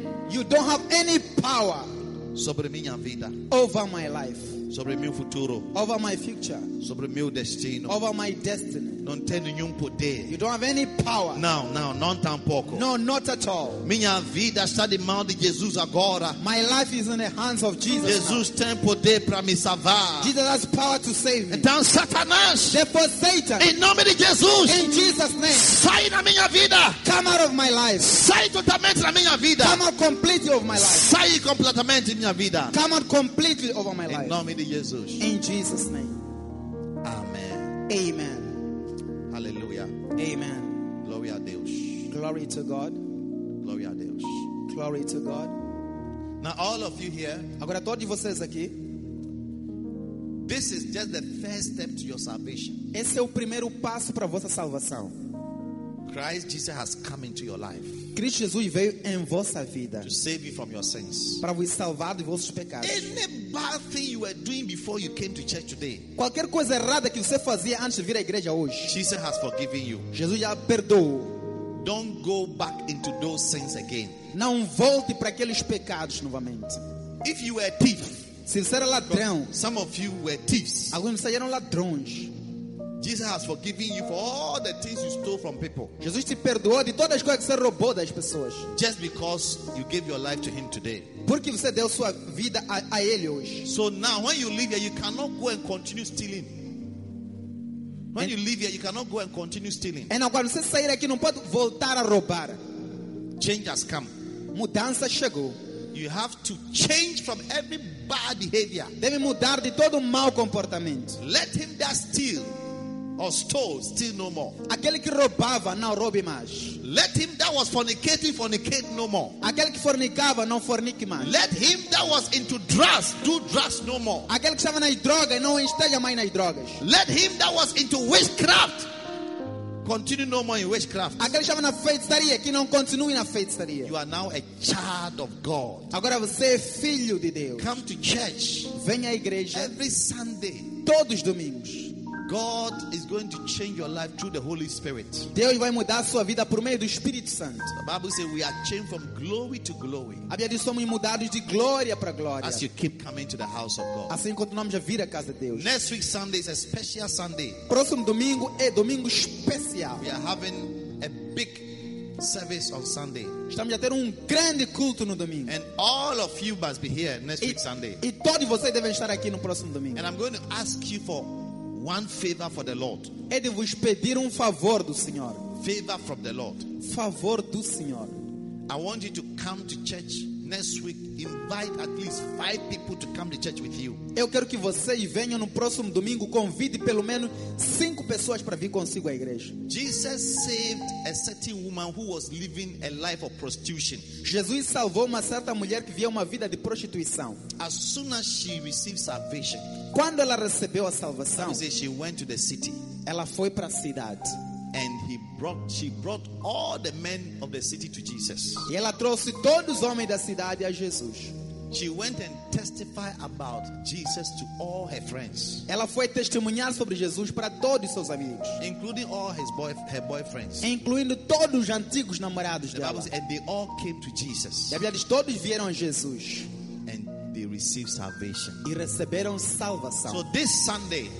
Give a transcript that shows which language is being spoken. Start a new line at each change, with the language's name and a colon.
English: You don't have any power.
Portuguese: Sobre minha vida.
English: Over my life.
Portuguese: Sobre meu futuro.
English: Over my future.
Portuguese: Sobre meu destino.
English: Over my destiny.
Portuguese: Não tem nenhum poder.
English: You don't have any power.
Portuguese: Não, não, não tampouco.
English: No, not at all.
Portuguese: Minha vida está de mão de Jesus agora.
English: My life is in the hands of Jesus. Jesus now.
Portuguese: Tem poder para me salvar.
English: Jesus has power to save me.
Portuguese: Então Satanás.
English: Therefore Satan.
Portuguese: Em nome de Jesus.
English: In Jesus name.
Portuguese: Sai da minha vida.
English: Come out of my life.
Portuguese: Sai totalmente da minha vida.
English: Come out completely of my life.
Portuguese: Sai completamente da minha vida.
English: Come out completely over my life.
Portuguese: Em nome de Jesus.
English: In Jesus name. Amen. Amen. Hallelujah. Amen.
Portuguese: Glory a Deus.
English: Glory to God.
Portuguese: Glory a Deus.
English: Glory to God. Now all of you here.
Portuguese: Agora todos vocês aqui.
English: This is just the first step to your salvation.
Portuguese: Esse é o primeiro passo para vossa salvação.
English: Christ Jesus has come into your life.
Portuguese: Cristo Jesus veio em vossa vida.
English: To save you from your sins.
Portuguese: Para vos salvar de vossos pecados.
English: Any bad thing you were doing before you came to church today.
Portuguese: Qualquer coisa errada que você fazia antes de vir à igreja hoje.
English: Jesus has forgiven you.
Portuguese: Jesus já perdoou.
English: Don't go back into those sins again.
Portuguese: Não volte para aqueles pecados novamente.
English: If you were a thief.
Portuguese: Se você era ladrão.
English: Some of you were thieves.
Portuguese: Alguns de vocês eram ladrões.
English: Jesus has forgiven you for all the things you stole from people.
Portuguese: Jesus te perdoou de todas as coisas que você roubou das pessoas.
English: Just because you gave your life to him today.
Portuguese: Porque você deu sua vida a ele hoje.
English: So now when you leave here you cannot go and continue stealing. When you leave here you cannot go and continue stealing.
Portuguese: E agora você sair aqui não pode voltar a roubar.
English: Change has come.
Portuguese: Mudança chegou.
English: You have to change from every bad behavior.
Portuguese: Deve mudar de todo mau comportamento.
English: Let him that steal or stole steal no more.
Portuguese: Aquele que roubava não roube mais.
English: Let him that was fornicating fornicate no more.
Portuguese: Aquele que fornicava não fornique mais.
English: Let him that was into drugs do drugs no more.
Portuguese: Aquele que estava nas drogas não esteja mais nas drogas.
English: Let him that was into witchcraft continue no more in witchcraft.
Portuguese: Aquele chama na feitiçaria que não continue na feitiçaria.
English: You are now a child of God.
Portuguese: Agora você é filho de Deus.
English: Come to church.
Portuguese: Venha à igreja.
English: Every Sunday.
Portuguese: Todos os domingos.
English: God is going to change your life through the Holy Spirit.
Portuguese: Deus vai mudar sua vida por meio do Espírito Santo.
English: The Bible says we are changed from glory to glory.
Portuguese: A Bíblia diz que somos mudados de glória para glória.
English: As you keep coming to the house of God.
Portuguese: Assim continuamos a vir à casa de Deus.
English: Next week Sunday is a special Sunday.
Portuguese: Próximo domingo é domingo especial.
English: We are having a big service on Sunday.
Portuguese: Estamos a ter grande culto no domingo.
English: And all of you must be here next week Sunday.
Portuguese: E todos vocês devem estar aqui no próximo domingo.
English: And I'm going to ask you for one favor for the Lord.
Portuguese: É de vos pedir favor do Senhor.
English: Favor from the Lord.
Portuguese: Favor do Senhor.
English: I want you to come to church next week. Invite at least 5 people to come to church with you.
Portuguese: Eu quero que vocês venham no próximo domingo, convide pelo menos 5 pessoas para vir consigo à igreja.
English: Jesus saved a certain woman who was living a life of prostitution.
Portuguese: Jesus salvou uma certa mulher que vivia uma vida de prostituição.
English: As soon as she received salvation.
Portuguese: Quando ela recebeu a salvação,
English: she went to the city.
Portuguese: Ela foi para a cidade.
English: And she brought all the men of the city to Jesus.
Portuguese: E ela trouxe todos os homens da cidade a Jesus.
English: She went and testified about Jesus to all her friends.
Portuguese: Ela foi testemunhar sobre Jesus para todos os seus amigos.
English: Including all her boyfriends.
Portuguese: Incluindo todos os antigos namorados dela.
English: And they all came to Jesus.
Portuguese: E a Bíblia diz, todos vieram a Jesus.
English: And they received salvation.
Portuguese: E receberam salvação.
English: So this Sunday.